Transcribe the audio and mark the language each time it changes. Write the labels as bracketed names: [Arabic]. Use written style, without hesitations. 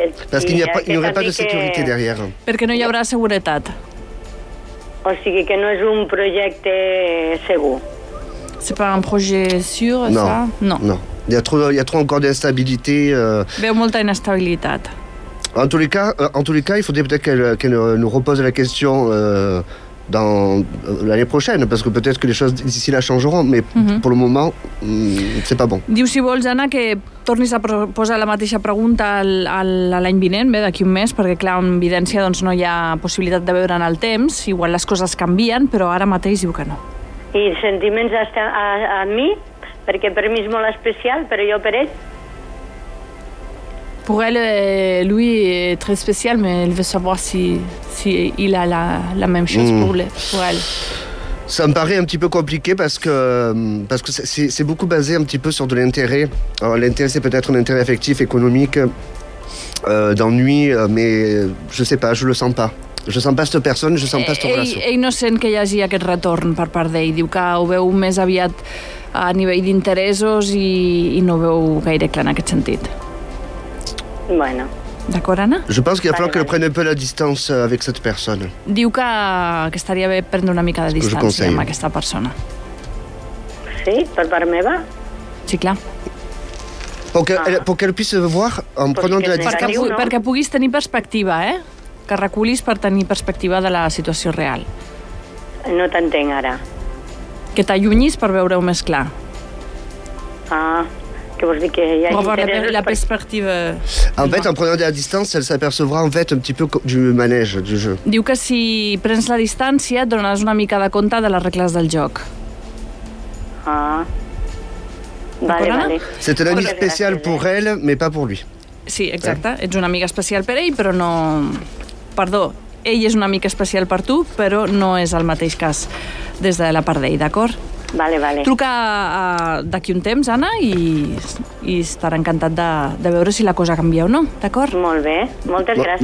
[French] Parce qu'il n'y aurait pas de sécurité derrière. [Catalan] Perquè no hi haurà seguretat. O sigui que no és un projecte segur. [French] C'est pas un projet sûr, ça? Non. Il y a trop encore d'instabilité. [Catalan] Veu molta inestabilitat. [French] En tous les cas, il faudrait peut-être qu'elle nous repose la question dans l'année prochaine, parce que peut-être que les choses d'ici là changeront, mais pour le moment, c'est pas bon. [Catalan] Diu, si vols, Anna, que tornis a posar la mateixa pregunta a l'any vinent, bé, d'aquí un mes, perquè clar, amb evidència doncs, no hi ha possibilitat de veure en el temps, igual les coses canvien, però ara mateix diu que no. I sentiments a mi, perquè per mi és molt especial, però jo per ell... [French] Pour elle, lui est très spécial, mais elle veut savoir si il a la même chose pour elle. Ça me paraît un petit peu compliqué parce que c'est beaucoup basé un petit peu sur de l'intérêt. Alors l'intérêt, c'est peut-être un intérêt affectif, économique, d'ennui, mais je sais pas, je le sens pas. Je sens pas cette personne, je sens pas cette relation. [Catalan] Ell no sent que hi hagi aquest retorn per part d'ell. Diu que ho veu més aviat a nivell d'interessos i no ho veu gaire clar en aquest sentit. Bueno. D'acord, Anna? [French] Je pense qu'il va falloir que prenne un peu la distance avec cette personne. [Catalan] Diu que estaria bé prendre una mica de distància amb aquesta persona. Sí, per part meva? Sí, clar. [French] Pour qu'elle puisse voir en prenant de la distance. [Catalan] Perquè puguis tenir perspectiva, eh? Que reculis per tenir perspectiva de la situació real. No t'entenc ara. Que t'allunyis per veure-ho més clar. Que vols dir que hi ha interès... La perspectiva... [French] En fait, en prenant de la distance, elle s'apercevra en fait un petit peu du manège, du jeu. [Catalan] Diu que si prens la distància, et donaràs una mica de compte de les regles del joc. Ah. Vale. [French] C'est un ami spécial pour elle, mais pas pour lui. [Catalan] Sí, exacte. Ets una amiga especial per ell, però no... Perdó, ell és una amiga especial per tu, però no és el mateix cas des de la part d'ell, d'acord? Vale. Truca d'aquí un temps, Anna, i estarà encantat de veure si la cosa canvia o no, d'acord? Molt bé, moltes gràcies.